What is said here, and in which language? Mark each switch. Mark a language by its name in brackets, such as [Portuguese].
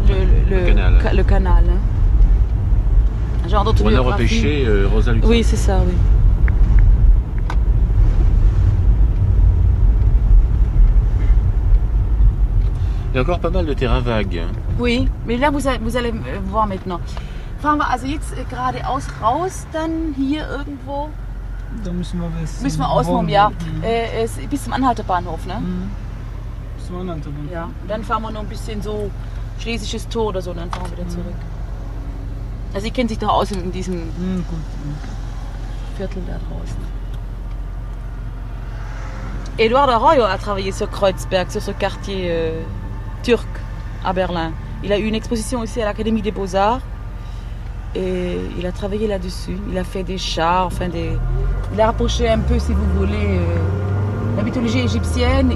[French] le canal. Un genre d'autobiographie. On a repêché Rosa Luxembourg. Oui, c'est ça, oui. Il y a encore pas mal de terrains vagues. Oui, mais là, vous allez voir maintenant. [German] Fahren wir also jetzt geradeaus raus, dann hier irgendwo? Da müssen wir was. Müssen wir ausmachen, ja. Bis zum Anhalterbahnhof, ne? Bis zum Anhalterbahnhof. Ja, und dann fahren wir noch ein bisschen so Schlesisches Tor oder so, und dann fahren wir wieder zurück. Also Sie kennen sich doch aus in diesem Viertel da draußen. [French] Eduardo Arroyo a travaillé sur Kreuzberg, sur ce quartier turc à Berlin. Il a eu une exposition aussi à l'Académie des Beaux-Arts. Et il a travaillé là-dessus. Il a fait des chars, enfin des... Il a rapproché un peu, si vous voulez, la mythologie égyptienne.